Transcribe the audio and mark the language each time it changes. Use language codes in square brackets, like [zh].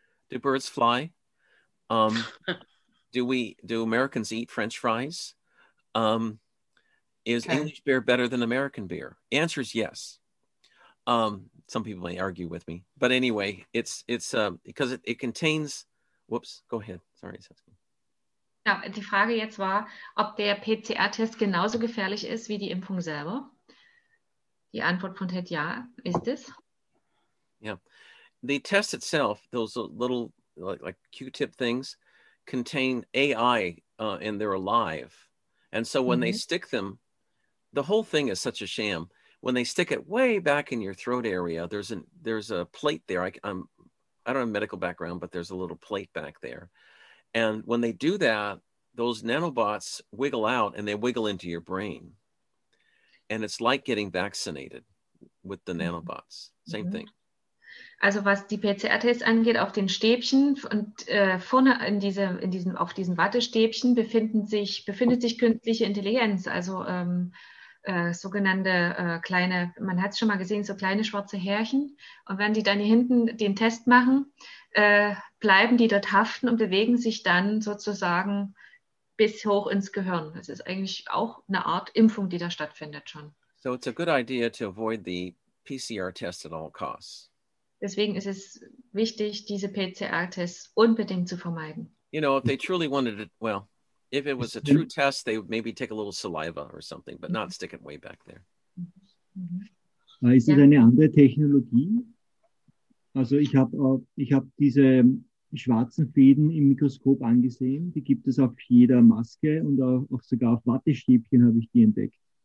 [en] Do birds fly? do Americans eat French fries? English beer better than American beer? The answer is yes. Some people may argue with me, but anyway, because it contains, whoops, go ahead. Sorry. [de] Ja, die Frage jetzt war, ob der PCR-Test genauso gefährlich ist wie die Impfung selber. Die Antwort von Ted, ja, ist es. Ja. [en] The test itself, those little like Q-tip things, contain AI and they're alive. And so when they stick them, the whole thing is such a sham. When they stick it way back in your throat area, there's a plate there. I don't have a medical background, but there's a little plate back there. And when they do that, those nanobots wiggle out and they wiggle into your brain. And it's like getting vaccinated with the nanobots. Same thing. [de] Also was die PCR-Tests angeht, auf den Stäbchen und vorne auf diesen Wattestäbchen befindet sich künstliche Intelligenz, also kleine, man hat es schon mal gesehen, so kleine schwarze Härchen. Und wenn die dann hier hinten den Test machen, bleiben die dort haften und bewegen sich dann sozusagen bis hoch ins Gehirn. Das ist eigentlich auch eine Art Impfung, die da stattfindet schon. [en] So it's a good idea to avoid the PCR-Test at all costs. [de] Deswegen ist es wichtig, diese PCR-Tests unbedingt zu vermeiden. [en] You know, if they truly wanted it, well, if it was a true test, they would maybe take a little saliva or something, but not stick it way back there. [de] Ist es eine andere Technologie? Also ich hab diese schwarzen Fäden im Mikroskop angesehen. Die gibt es auf jeder Maske und auch sogar auf Wattestäbchen habe ich die entdeckt.